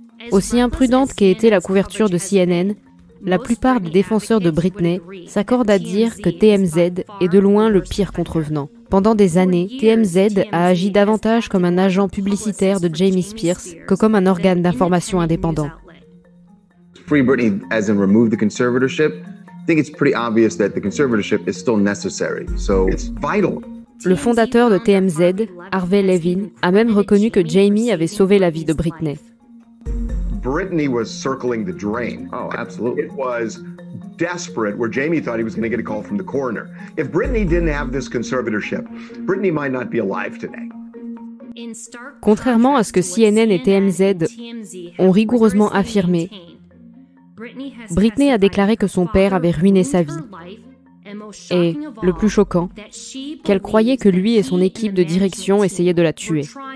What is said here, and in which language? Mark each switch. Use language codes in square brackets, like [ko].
[fr] Aussi imprudente qu'ait été la couverture de CNN, la plupart des défenseurs de Britney s'accordent à dire que TMZ est de loin le pire contrevenant. Pendant des années, TMZ a agi davantage comme un agent publicitaire de Jamie Spears que comme un organe d'information indépendant. [en] Free Britney, as in remove the conservatorship. I think it's pretty obvious that the conservatorship is still necessary. So it's vital. [fr] Le fondateur de TMZ, Harvey Levin, a même reconnu que Jamie avait sauvé la vie de Britney. [en] Britney was circling the drain. Oh, absolutely. It was desperate, where Jamie thought he was going to get a call from the coroner. If Britney didn't have this conservatorship, Britney might not be alive today. [fr] Contrairement à ce que CNN et TMZ ont rigoureusement affirmé, Britney a déclaré que son père avait ruiné sa vie. Et, le plus choquant, qu'elle croyait que lui et son équipe de direction essayaient de la tuer.